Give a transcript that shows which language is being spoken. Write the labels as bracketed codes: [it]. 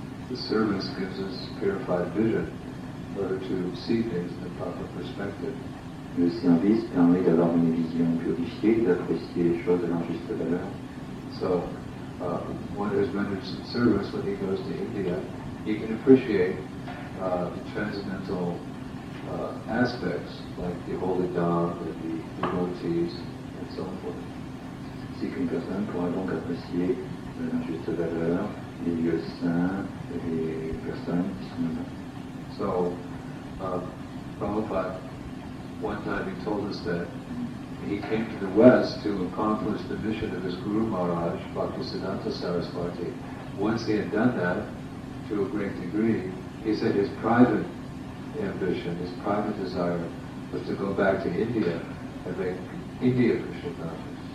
[en] The service gives us purified vision, whether to see things in the proper perspective. [fr] Le service permet d'avoir une vision purifiée, d'apprécier les choses à leur juste valeur. [en] So, one who's rendered some service when he goes to India, he can appreciate the transcendental aspects like the holy dog and the devotees and so forth. [fr] Si qu'une personne pourra donc apprécier à leur juste valeur les lieux saints et les personnes qui sont là. [en] So, Prabhupada, one time he told us that he came to the West to accomplish the mission of his Guru Maharaj, Bhaktisiddhanta Sarasvati. Once he had done that, to a great degree, he said his private ambition, his private desire, was to go back to India and make India Krishna conscious.